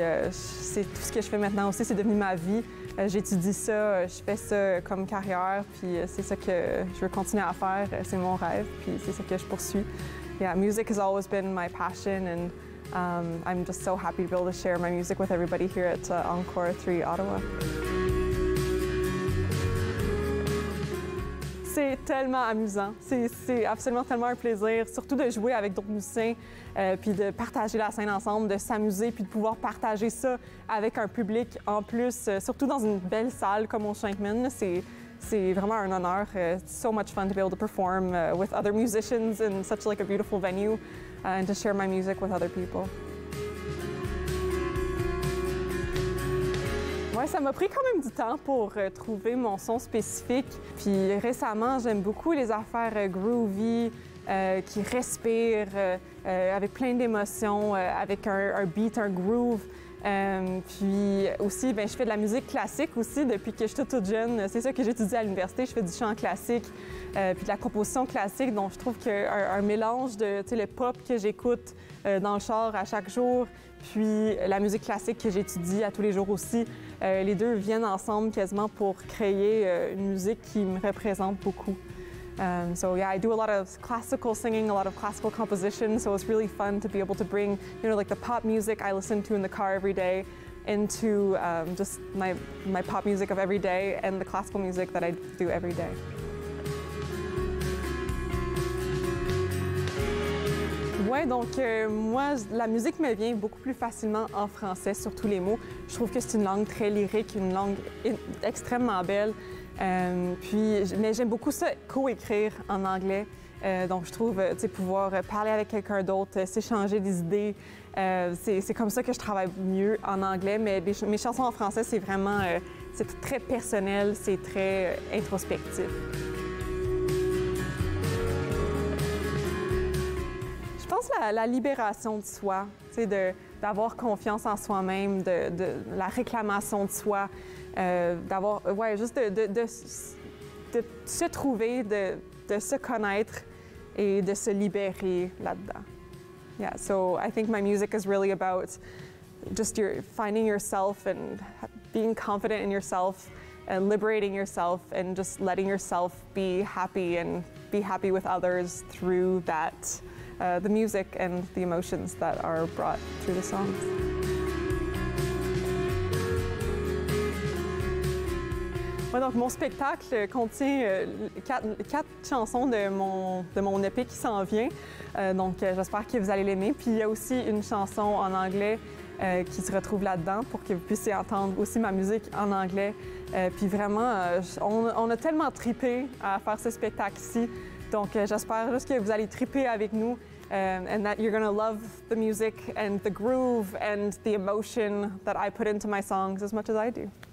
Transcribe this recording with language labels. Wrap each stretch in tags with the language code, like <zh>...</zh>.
<fr>C'est tout ce que je fais maintenant aussi, c'est devenu ma vie. J'étudie ça, je fais ça comme carrière, puis c'est ça que je veux continuer à faire, c'est mon rêve, puis c'est ça que je poursuis.</fr> <en>Yeah, music has always been my passion, and I'm just so happy to be able to share my music with everybody here at Encore 3 Ottawa.</en> <fr>C'est tellement amusant, c'est absolument tellement un plaisir, surtout de jouer avec d'autres musiciens, puis de partager la scène ensemble, de s'amuser, puis de pouvoir partager ça avec un public en plus, surtout dans une belle salle comme au Shenkman, c'est vraiment un honneur.</fr> <en>So much fun to be able to perform with other musicians in such like a beautiful venue, and to share my music with other people.</en> <fr>Ouais, ça m'a pris quand même du temps pour trouver mon son spécifique. Puis récemment, j'aime beaucoup les affaires groovy, qui respirent avec plein d'émotions, avec un beat, un groove. Puis aussi, ben, je fais de la musique classique aussi depuis que je suis toute jeune. C'est ça que j'étudie à l'université, je fais du chant classique, puis de la composition classique. Donc je trouve qu'un mélange de, tu sais, le pop que j'écoute dans le char à chaque jour, puis la musique classique que j'étudie à tous les jours aussi, les deux viennent ensemble quasiment pour créer une musique qui me représente beaucoup.</fr> <en>So yeah, I do a lot of classical singing, a lot of classical composition, so it's really fun to be able to bring, you know, like the pop music I listen to in the car every day into just my pop music of every day and the classical music that I do every day.</en> <fr>Ouais, donc moi, la musique me vient beaucoup plus facilement en français, surtout les mots. Je trouve que c'est une langue très lyrique, une langue extrêmement belle. Mais j'aime beaucoup ça co-écrire en anglais. Donc je trouve, tu sais, pouvoir parler avec quelqu'un d'autre, s'échanger des idées, c'est comme ça que je travaille mieux en anglais. Mais mes chansons en français, c'est vraiment, c'est très personnel, c'est très introspectif. Je pense la libération de soi, tu sais, d'avoir confiance en soi-même, de la réclamation de soi, d'avoir, ouais, juste de se trouver, de se connaître et de se libérer là-dedans.</fr> <en>Yeah, so I think my music is really about just your finding yourself and being confident in yourself and liberating yourself and just letting yourself be happy and be happy with others through that. The music and the emotions that are brought through the songs.</en> <fr>Ouais, donc mon spectacle contient quatre chansons de mon EP qui s'en vient. J'espère que vous allez l'aimer. Puis il y a aussi une chanson en anglais qui se retrouve là-dedans pour que vous puissiez entendre aussi ma musique en anglais. Puis vraiment, on a tellement trippé à faire ce spectacle-ci. Donc j'espère juste que vous allez tripper avec nous.</fr> <en>And that you're going to love the music and the groove and the emotion that I put into my songs as much as I do.</en>